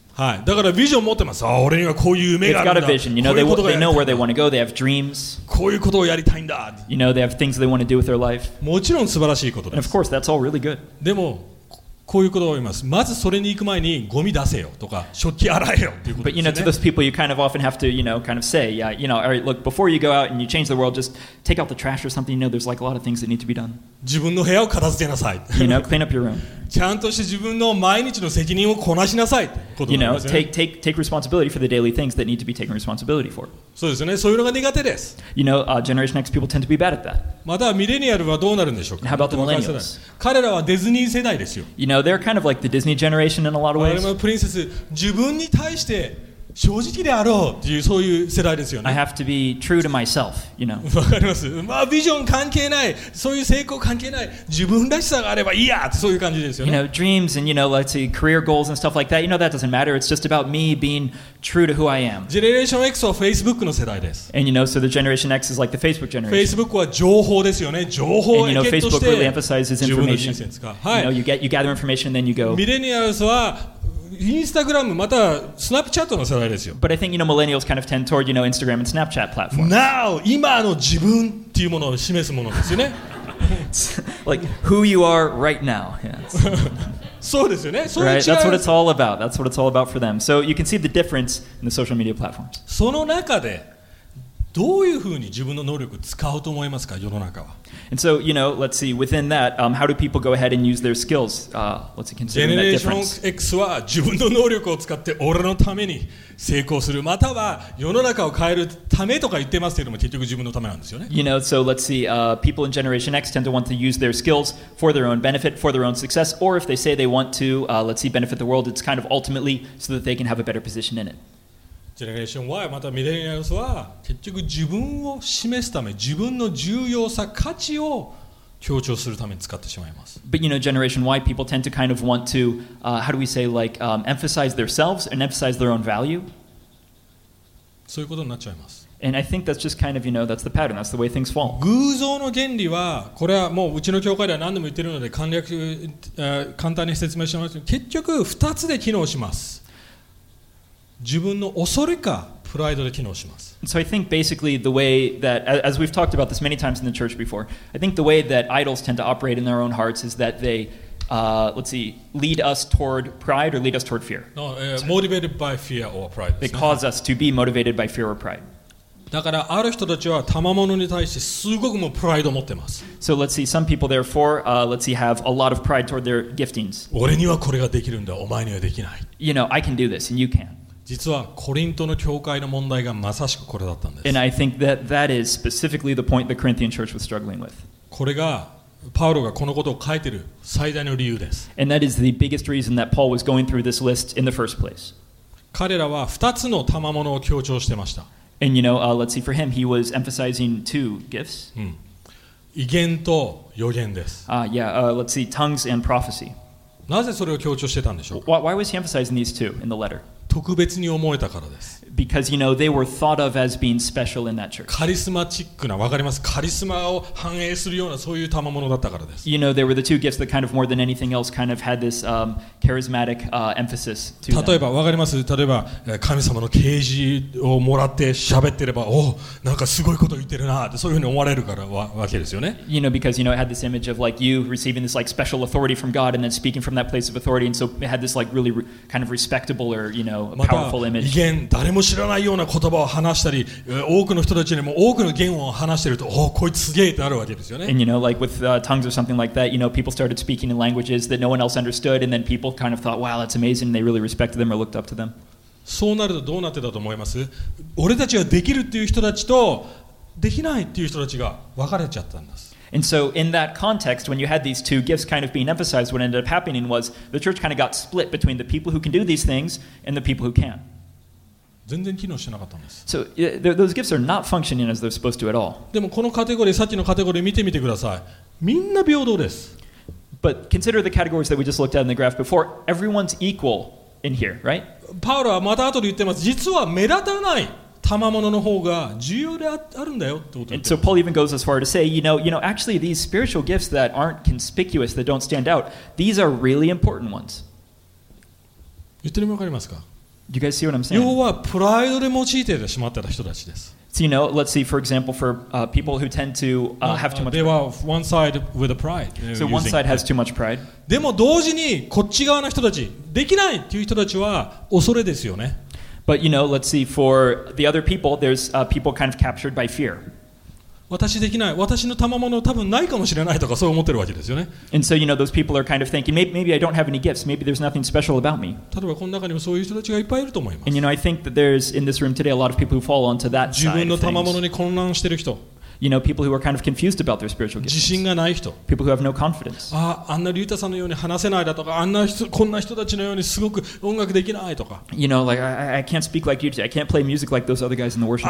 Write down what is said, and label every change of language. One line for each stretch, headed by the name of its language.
Japanese: はい、だからビジョン持ってます。ああ、俺にはこういう夢があるんだ。
English: They've got a vision. You know, they know where they want to go. They have dreams.
Japanese: こういうことをやりたいんだ。
English: You know, they have things they want to do with their life.
Japanese: もちろん素晴らしいことです。
English: And of course, that's all really good.
Japanese: でも、こういうことを言います。まずそれに行く前にゴミ出せよとか、食器洗えよっていうことですね。
English: But you know, to those people, you kind of often have to, you know, kind of say, yeah, you know, all right, look, before you go out and you change the world, just take out the trash or something. You know, there's like a lot of things that need to be done.
Japanese: 自分の部屋を片付けなさい。
English: You know, clean up your room.
Japanese: ちゃんとして自分の毎日の責任をこなしなさいってことなんですね。
English: You know, take responsibility for the daily things that need to be taken responsibility for.
Japanese: そうですね。そういうのが苦手です。
English: You know, Generation X people tend to be bad at that.
Japanese: またミレニアルはどうなるんでしょうか。
English: How about the millennials?
Japanese: 彼らはディズニー世代ですよ。
English: You know, they're kind of like the Disney generation in a lot of ways.
Japanese: 我々のプリンセス、自分に対して正直であろうというそういう世代ですよね。
English: I have to be true to myself, you know.
Japanese: わかります。まあビジョン関係ない、そういう成功関係ない、自分らしさがあればいいやってそういう感じですよね。
English: You know, dreams and you know, let's see, career goals and stuff like that. You know, that doesn't matter. It's just about me being true to who I am.
Japanese: Generation X は Facebook の世代です。
English: And you know, so the Generation X is like the Facebook generation.
Japanese: Facebook は情報ですよね。情報をゲットして。
English: And you know, Facebook really emphasizes information.
Japanese: はい。
English: You know, you gather information and then you go.
Japanese: Millennials は。 Instagram またスナップチャットの世代ですよ。
English: But I think you know millennials kind of tend toward you know Instagram and Snapchat platforms. Now,
Japanese: 今の自分っていうものを示すものですよね。
English: like who you are right now. Yeah.
Japanese: そうですよね。そういう違い。
English: Right. That's what it's all about. That's what it's all about for them. So you can see the difference in the social media platforms.
Japanese: その中でどういうふうに自分の能力を使うと思いますか、世の中は。
English: And so, you know, let's see, within that, how do people go ahead and use their skills? Let's see, considering that difference.
Japanese: Generation X は自分の能力を使って俺のために成功する、または世の中を変えるためとか言ってますけども、結局自分のためなんですよね。
English: You know, so let's see, people in Generation X tend to want to use their skills for their own benefit, for their own success, or if they say they want to, let's see, benefit the world, it's kind of ultimately so that they can have a better position in it.
Japanese: Generation Y またミレニアルスは結局自分を示すため自分の重要さ価値を強調するために使ってしまいます。
English: But you know, Generation Y people tend to kind of want to, how do we say, like, emphasize themselves and emphasize their own value.
Japanese: そういうことになっちゃいます。
English: And I think that's just kind of, you know, that's the pattern. That's the way things fall.
Japanese: 偶像の原理は、これはもううちの教会では何度も言ってるので簡略、簡単に説明します。結局二つで機能します。自分の恐れかプライドで機能します。
English: So I think basically the way that, as we've talked about this many times in the church before, I think the way that idols tend to operate in their own hearts is that they, let's see, lead us toward pride or lead us toward fear. No, motivated by fear or pride. They cause us to be motivated by fear or pride.
Japanese: だからある人たちは賜物に対してすごくもプライドを持ってます。
English: So let's see, some people therefore, let's see, have a lot of pride toward their giftings.
Japanese: 俺にはこれができるんだ、お前にはできない。
English: You know, I can do this and you can.
Japanese: 実はコリントの教会の問題がまさしくこれだったんです。
English: And I think that that is specifically the point the Corinthian church was struggling with.
Japanese: これがパウロがこのことを書いている最大の理由です。
English: And that is the biggest reason that Paul was going through this list in the first place.
Japanese: 彼らは二つの賜物を強調してました。
English: And you know, let's see, for him, he was emphasizing two gifts.
Japanese: 異言と予言です。
English: Let's see, tongues and prophecy.
Japanese: なぜそれを強調してたんでしょうか。
English: Why was he emphasizing these two in the letter?
Japanese: 特別に思えたからです。
English: Because you know they were thought of as being special in that church.
Japanese: カリスマチックな、わかります。カリスマを反映するようなそういう賜物だったからです。
English: You know they were the two gifts that kind of more than anything else kind of had this charismatic emphasis to them.
Japanese: 例えばわかります。例えば神様の啓示をもらって喋ってれば、おお、なんかすごいこと言ってるなってそういうふうに思われるからわけですよね。
English: You know because you know it had this image of like you receiving this like special authority from God and then speaking from that place of authority and so it had this like really kind of respectable or you know a powerful image.
Japanese: また、異言誰も知らないような言葉を話したり、多くの人たちにも多くの言語を話していると、おお、こいつすげえってなるわけですよね。
English: And you know, like with tongues or something like that, you know, people started speaking in languages that no one else understood, and then people kind of thought, wow, that's amazing, and they really respected them or looked up to them.
Japanese: そうなるとどうなってたと思います？俺たちができるっていう人たちとできないっていう人たちが分かれちゃったんです。
English: And so in that context, when you had these two gifts kind of being emphasized, what ended up happening was the church kind of got split between the people who can do these things and the people who can't.
Japanese: 全然機能してなかったんです。
English: So, those gifts are not functioning as they're supposed to at all.
Japanese: でもこのカテゴリー、さっきのカテゴリー見てみてください。みんな平等です。
English: But consider the categories that we just looked at in the graph before. Everyone's equal in here, right?
Japanese: パウロはまた後で言ってます。実は目立たない賜物の方が重要であるんだよってことを言ってます。
English: And so Paul even goes as far to say, you know, actually these spiritual gifts that aren't conspicuous, that don't stand out, these are really important ones.
Japanese: 言ってるのわかりますか？
English: You guys see what I'm saying?
Japanese: 要はプライドで用いてしまった人たちです。
English: So, you know, let's see, for example, for people who tend to have too much They were one side with a pride. So one side has too much pride.
Japanese: でも同時にこっち側の人たち、できないっていう人たちは恐れですよね。
English: But, you know, let's see, for the other people, there's people kind of captured by fear.
Japanese: 私できない。私の賜物多分ないかもしれないとかそう思ってるわけですよね。
English: And so, you know, those people are kind of thinking, maybe I don't have any gifts. Maybe there's nothing special about me.
Japanese: 例えばこの中にもそういう人たちがいっぱいいると思います。
English: And you know, I think that there's in this room today a lot of people who fall onto that side of things.
Japanese: 自分の賜物に混乱してる人。
English: You know, people who are kind of confused about their spiritual gifts.
Japanese: 自信がない人。
English: People who have no confidence.
Japanese: あんなリュータさんのように話せないだとか、あんな人、こんな人たちのようにすごく音楽できないとか。
English: You know, like, I can't speak like you today. I can't play music like those other guys in the worship.